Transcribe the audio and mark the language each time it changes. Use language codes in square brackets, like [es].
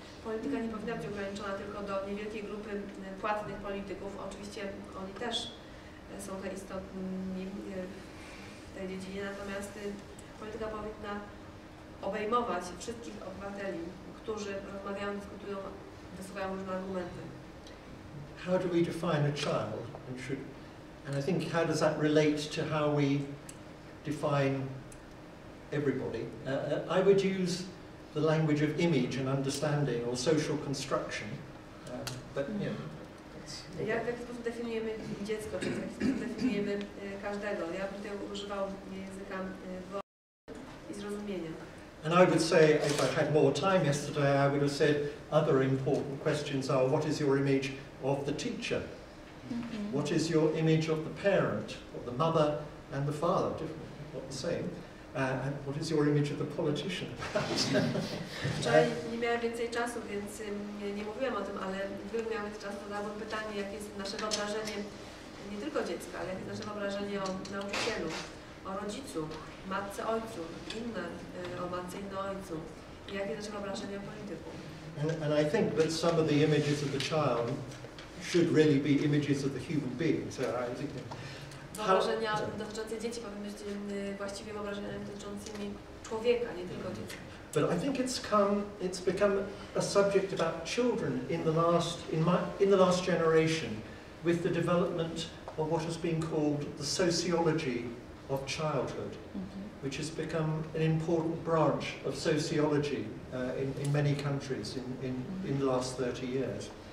[pl] Polityka nie powinna być ograniczona tylko do niewielkiej grupy płatnych polityków. Oczywiście oni też są te istotni w tej dziedzinie, natomiast polityka powinna obejmować wszystkich obywateli, którzy rozmawiają, dyskutują, wysłuchają różne argumenty. [en] How do we define a child? And, should, and I think how does that relate to how we define everybody? I would use the language of image and understanding or social construction, but yeah. [pl] Jak w jaki sposób definiujemy dziecko, czy w jaki sposób definiujemy każdego? Ja bym tutaj używał języka wyobraźni i zrozumienia. [en] And I would say, if I had more time yesterday, I would have said other important questions are, what is your image of the teacher? Mm-hmm. What is your image of the parent, or the mother and the father, different, not the same? And what is your image of the politician? [pl] Wczoraj nie miałem więcej czasu, więc nie mówiłem o tym, ale gdybym miała więcej czasu, to zadałbym pytanie, jakie jest nasze wyobrażenie, nie tylko dziecka, ale jakie jest nasze wyobrażenie o nauczycielu, o rodzicu, matce, ojcu, inne o matce, inne ojcu, i jakie jest nasze wyobrażenie o polityku. [en] And I think that some of the images of the child should really be images of the human being. So I think [pl] wyobrażenia dotyczące dzieci powinny być właściwie wyobrażeniami dotyczącymi człowieka, nie tylko dzieci. [en] But I think it's become a subject about children in the last generation, with the development of what has been called the sociology of childhood, which has become an important branch of sociology in many countries in the last 30 years.